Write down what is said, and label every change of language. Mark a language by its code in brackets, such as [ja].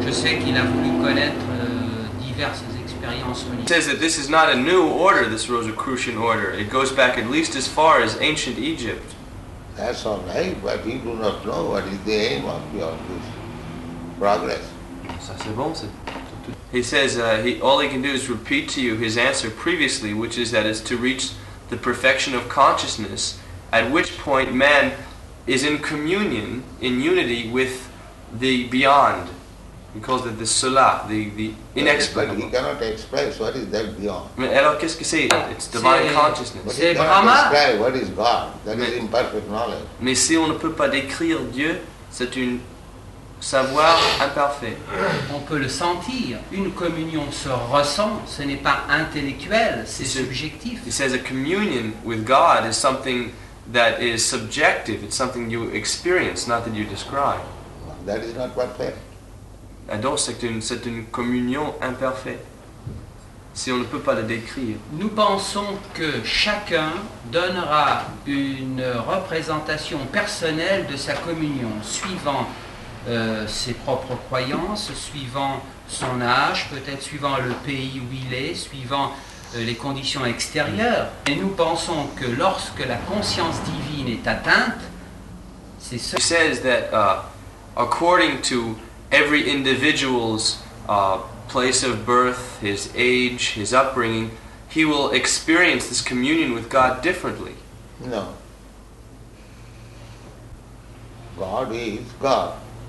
[fr] Je sais qu'il a voulu connaître diverses expériences religieuses. [en] He says that this is not a new order, this Rosicrucian order. It goes back at least as far as ancient Egypt. That's all right, but we do not know what is the aim of your this progress. [fr] Ça c'est bon, c'est tout. [en] He says all he can do is repeat to you his answer previously, which is that it's to reach the perfection of consciousness, at which point man is in communion, in unity with the beyond. He calls it the Sola, the inexplicable. But he cannot express what is that beyond. [fr] Alors qu'est-ce que c'est? [en] It's divine consciousness. But he cannot describe what is God. That is imperfect knowledge. [fr] Mais si on ne peut pas décrire Dieu, c'est un savoir imparfait. On peut le sentir. Une communion se ressent. Ce n'est pas intellectuel, c'est subjectif. [en] He says a communion with God is something that is subjective. It's something you experience, not that you describe. That is not perfect. [fr] Donc c'est une communion imparfaite, si on ne peut pas la décrire. Nous pensons que chacun donnera une représentation personnelle de sa communion, suivant ses propres croyances, suivant son âge, peut-être suivant le pays où il est, suivant les conditions extérieures. Et nous pensons que lorsque la conscience divine est atteinte, c'est ce... [en] He says that according to every individual's place of birth, his age, his upbringing, he will experience this communion with God differently. No. God is God.